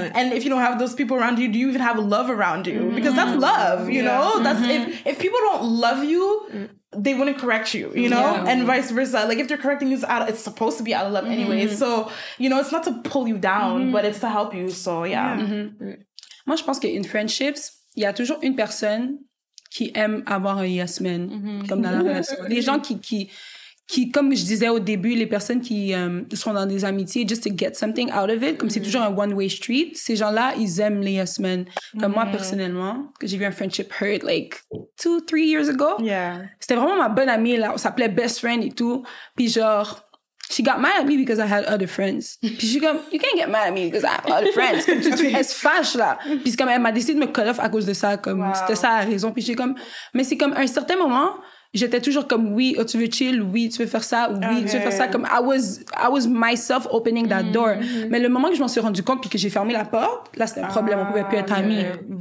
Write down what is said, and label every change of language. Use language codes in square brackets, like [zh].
[en] And if you don't have those people around you, do you even have love around you? Because that's love, you know? That's if people don't love you, they wouldn't correct you, you know? And vice versa. Like, if they're correcting you, it's supposed to be out of love anyway. So, you know, it's not to pull you down, but it's to help you. So, yeah. [fr] Moi, je pense qu' [en] in friendships, [fr] il y a toujours une personne qui aime avoir un yes man, comme dans la relation. Les gens qui qui, comme je disais au début, les personnes qui sont dans des amitiés [en] just to get something out of it, [fr] comme c'est toujours un [en] one-way street, [fr] ces gens-là, ils aiment les yes men. Comme moi, personnellement, que j'ai eu un [en] friendship hurt, like, 2-3 years ago. Yeah. [fr] C'était vraiment ma bonne amie, là. On s'appelait best friend et tout. Puis genre, [en] she got mad at me because I had other friends. [fr] Puis je suis comme, [en] you can't get mad at me because I have other friends. [fr] Elle se fâche, là. Puis comme, elle m'a décidé de me [en] call off [fr] à cause de ça. Comme, wow. C'était ça la raison. Puis je suis comme, mais c'est comme, à un certain moment, j'étais toujours comme, oui, oh, tu veux chill, oui, tu veux faire ça, oui, okay. Tu veux faire ça. Comme, [en] I was myself opening that door. [fr] Mm-hmm. Mais le moment que je m'en suis rendu compte puis que j'ai fermé la porte, là, c'était un problème. On pouvait plus être amis. Mm-hmm.